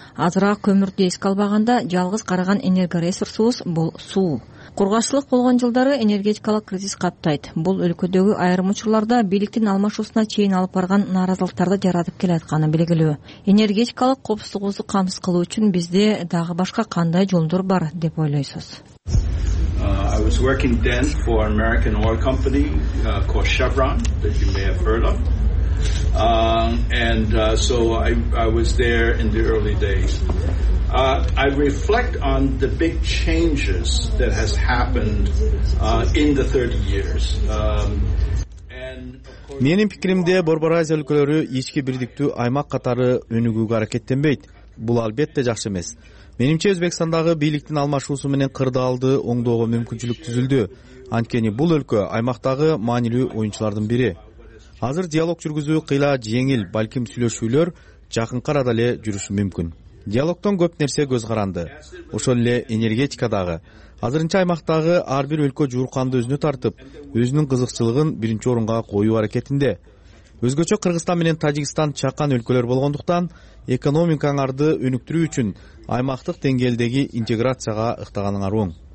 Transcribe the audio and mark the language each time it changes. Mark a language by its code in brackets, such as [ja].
[ky] Азыраак көмүрдү эске албаганда, жалгыз караган энергия ресурсубуз бул суу. Кургачылык болгон жылдары энергетикалык кризис каптайт. Бул өлкөдөгү айрым учурларда бийликтин алмашуусуна чейин алып барган нааразылыктарды жаратып келатканы белгилүү. Энергетикалык коопсуздугубузду камсыз кылуу үчүн бизде дагы башка кандай жолдор бар деп ойлойсуз? [en] I was working then for an American oil company called Chevron that you may have heard of. So I was there in the early days. I reflect on the big changes that has happened in the 30 years. [ky] Менин пикиримде Борбор Азия өлкөлөрү ички бирдиктүү аймак катары өнүгүүгө аракеттенбейт. Бул албетте жакшы эмес. Менимче Өзбекстандагы бийликтин алмашуусу менен кырдаалды оңдоого мүмкүнчүлүк түзүлдү. Анткени бул өлкө аймактагы маанилүү оюнчулардын бири. Азыр диалог жүргүзүү кыйла жеңил, балким сүйлөшүүлөр жакынкы арада эле жүрүшү мүмкүн. Диалогтон көп нерсе көз каранды. Ошол эле энергетикадагы. Азырынча аймактагы ар бир өлкө жуурканды өзүнө тартып, өзүнүн кызыкчылыгын биринчи орунга коюу аракетинде. Өзгөчө Кыргызстан менен Тажикстан чакан өлкөлөр болгондуктан, экономиканарды өнүктүрүү үчүн аймактык деңгээлдеги интеграцияга ыктаганыңар оң.